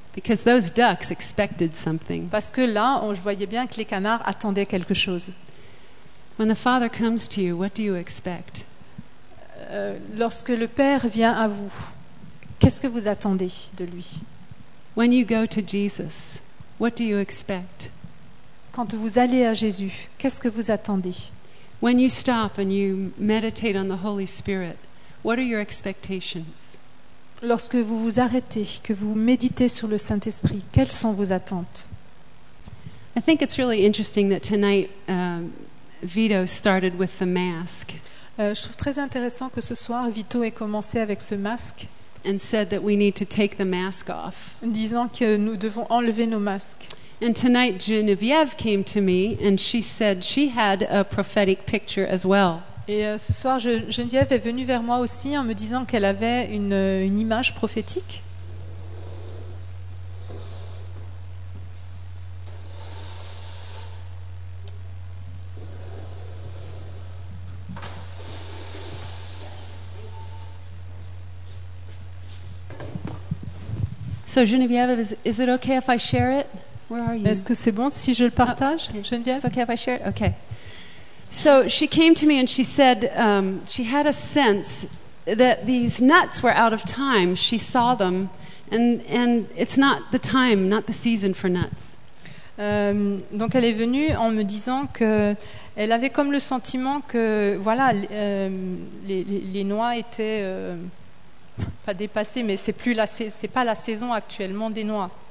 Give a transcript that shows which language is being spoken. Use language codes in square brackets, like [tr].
[en] Because those ducks expected something. [fr] Parce que là, je voyais bien que les canards attendaient quelque chose. [en] When the Father comes to you, what do you expect? [fr] Lorsque le Père vient à vous, qu'est-ce que vous attendez de lui? [en] When you go to Jesus, what do you expect? [fr] Quand vous allez à Jésus, qu'est-ce que vous attendez? [en] When you stop and you meditate on the Holy Spirit, what are your expectations? [fr] Lorsque vous vous arrêtez, que vous méditez sur le Saint-Esprit, quelles sont vos attentes? [en] I think it's really interesting that tonight Vito started with the mask. [fr] Je trouve très intéressant que ce soir Vito ait commencé avec ce masque, [en] and said that we need to take the mask off, [fr] disant que nous devons enlever nos masques. [en] And tonight Genevieve came to me and she said she had a prophetic picture as well. [fr] Et ce soir Geneviève est venue vers moi aussi en me disant qu'elle avait une image prophétique. [en] So Geneviève, is it okay if I share it? Where are you? [fr] Est-ce que c'est bon si je le partage, Geneviève? [en] It's okay if I share it? Okay. So she came to me and she said she had a sense that these nuts were out of time. She saw them and it's not the time, not the season for nuts. [fr] Donc elle est venue en me disant qu'elle avait comme le sentiment que voilà, les noix étaient... pas dépassé, mais c'est pas la saison actuellement des noix.